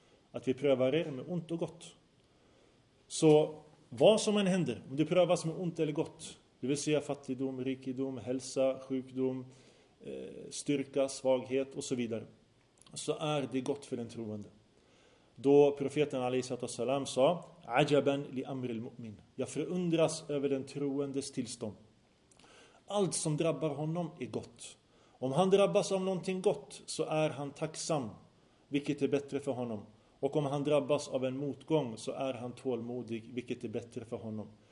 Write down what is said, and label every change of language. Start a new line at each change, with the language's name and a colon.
Swedish: Att vi prövar er med ont och gott. Så vad som än händer, om det prövas med ont eller gott, det vill säga fattigdom, rikedom, hälsa, sjukdom, styrka, svaghet och så vidare, så är det gott för den troende. Då profeten a.s. sa,
Arabic: عَجَبًا لِأَمْرِ الْمُؤْمِنِ.
Swedish: Jag förundras över den troendes tillstånd. Allt som drabbar honom är gott. Om han drabbas av någonting gott så är han tacksam, vilket är bättre för honom. Och om han drabbas av en motgång så är han tålmodig, vilket är bättre för honom.